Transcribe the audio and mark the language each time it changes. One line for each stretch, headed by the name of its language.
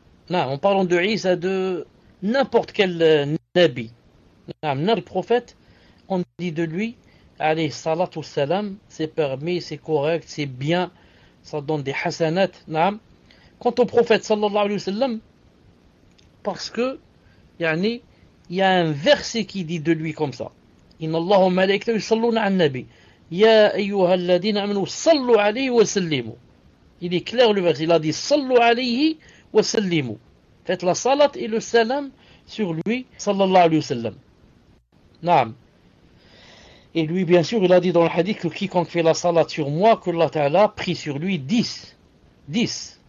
French: Non, en parlant de Isa, de n'importe quel nabi, non, le prophète, on dit de lui, allez, salatu salam, c'est permis, c'est correct, c'est bien, ça donne des hasanat. Non, quant au prophète,
Arabic: sallallahu alayhi wa sallam,
French: parce que, yani, il y a un verset qui dit de lui comme ça.
Arabic: إن الله وملائكته يصلون على النبي يا أيها الذين آمنوا صلوا عليه وسلموا.
French: Il est clair le verset. Il a dit
Arabic: صلوا عليه وسلموا.
French: Faites la salat et le salam sur lui,
Arabic: صلى الله عليه وسلم. نعم.
French: Et lui, bien sûr, il a dit dans le hadith que quiconque fait la salat sur moi, que Allah Ta'ala prie sur lui 10. 10.